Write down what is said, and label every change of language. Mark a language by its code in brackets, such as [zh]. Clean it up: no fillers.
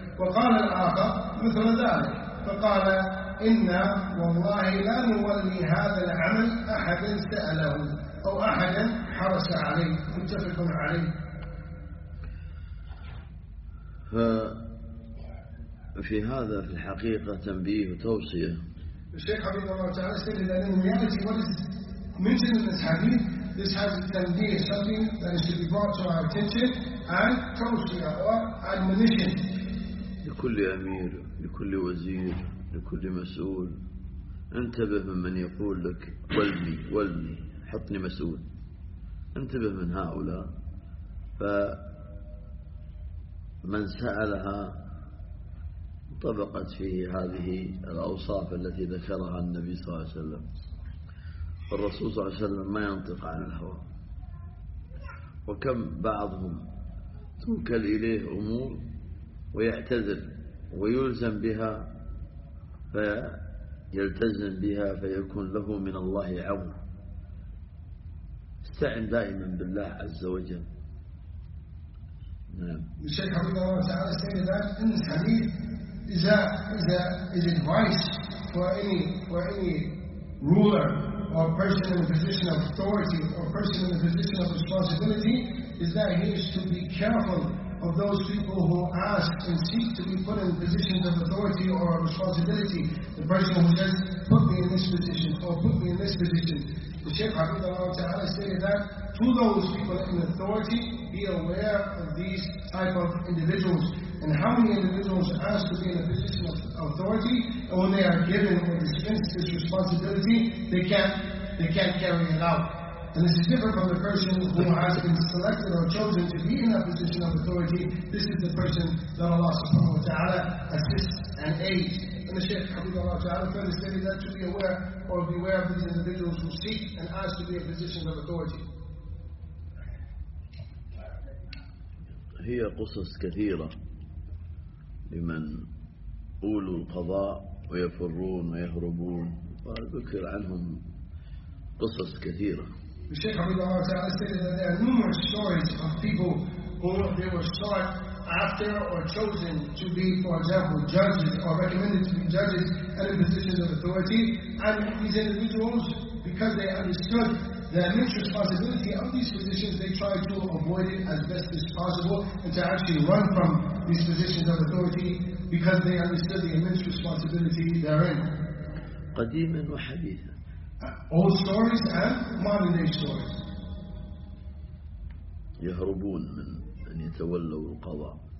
[ar] وقال الآخر مثل ذلك، فقال: إنا والله لا نولي هذا العمل أحدا سأله أو أحدا حرص عليه. متفق عليه. ففي هذا في الحقيقة تنبيه وتوصية. الشيخ حبيب الله تعالى [en] said that in reality what is mentioned in this hadith, this has a tanbih, something that should be brought to our attention and tawsiya or admonition. [ar] لكل أمير، لكل وزير، لكل مسؤول، انتبه من يقول لك ولي ولي حطني مسؤول، انتبه من هؤلاء. فمن سألها طبقت فيه هذه الأوصاف التي ذكرها النبي صلى الله عليه وسلم. الرسول صلى الله عليه وسلم ما ينطق عن الهوى، وكم بعضهم توكل إليه أمور ويعتذر ويلزم بها فيلتزم بها فيكون له من الله عون. استعن دائما بالله عز وجل. نعم. الشيخ حبيب الله تعالى [en] said that in this hadith is advice for any ruler or person in a position of authority or person in a position of responsibility is that he is to be careful of those people who ask and seek to be put in positions of authority or responsibility. The person who says, put me in this position or put me in this position. The Shaykh Hafidh Allah Ta'ala stated that to those people in authority, be aware of these type of individuals. And how many individuals ask to be in a position of authority, and when they are given or dispensed this responsibility, they can't carry it out. And this is different from the person who has been selected or chosen to be in that position of authority. This is the person that Allah subhanahu wa ta'ala assists and aids. And the Shaykh Hafidh Allah Ta'ala further stated that to be aware or beware of these individuals who seek and ask to be in positions of authority. [ar] هي قصص كثيرة لمن قولوا القضاء ويفرون ويهربون، وذكر عنهم قصص كثيرة. الشيخ عبد الله تعالى [en] said that there are numerous stories of people who they were sought after or chosen to be, for example, judges or recommended to be judges at a position of authority. And these individuals, because they understood the immense responsibility of these positions, they tried to avoid it as best as possible and to actually run from these positions of authority because they understood the immense responsibility therein. [ar] قديما وحديثا. [en] Old stories and modern day stories. [ar] يهربون من أن يتولوا القضاء.